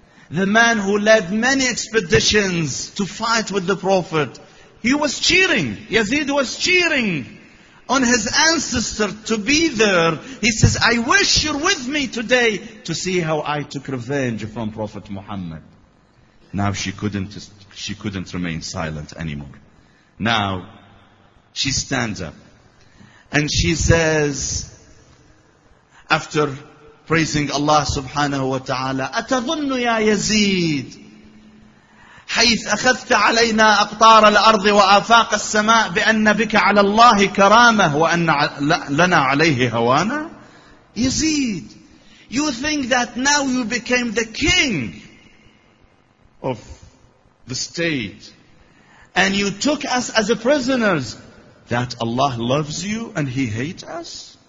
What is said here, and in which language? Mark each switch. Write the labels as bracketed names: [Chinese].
[English] The man who led many expeditions to fight with the Prophet. He was cheering. Yazid was cheering on his ancestor to be there. He says, I wish you're with me today to see how I took revenge from Prophet Muhammad. Now she couldn't remain silent anymore. Now she stands up and she says, after praising Allah subhanahu wa ta'ala, [Arabic] أَتَظُنُّ يَا يَزِيدُ حَيْثْ أَخَذْتَ عَلَيْنَا أَقْطَارَ الْأَرْضِ وَآفَاقَ السَّمَاءِ بِأَنَّ بِكَ عَلَى اللَّهِ كَرَامَةِ وَأَنَّ لَنَا عَلَيْهِ هَوَانَا. [English] Yazid, you think that now you became the king of the state and you took us as a prisoners, that Allah loves you and He hates us?